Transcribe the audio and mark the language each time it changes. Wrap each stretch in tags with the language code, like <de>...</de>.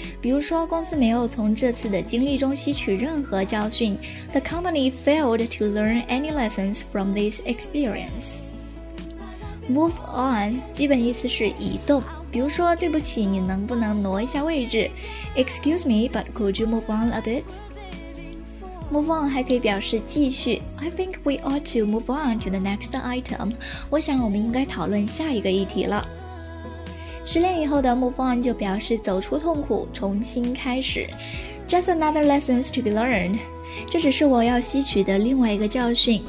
<zh>比如说公司没有从这次的经历中吸取任何教训。</zh> <en>The company failed to learn any lessons from this experience.</en> <zh>Move on, 基本意思是移动。比如说对不起你能不能挪一下位置</zh> <en>Excuse me, but could you move on a bit?</en> <zh>Move on 还可以表示继续。</zh> <en>I think we ought to move on to the next item.</en> <zh>我想我们应该讨论下一个议题了。失恋以后的 move on 就表示走出痛苦，重新开始。</zh> <en>Just another lessons to be learned.</en> <zh>这只是我要吸取的另外一个教训。</zh>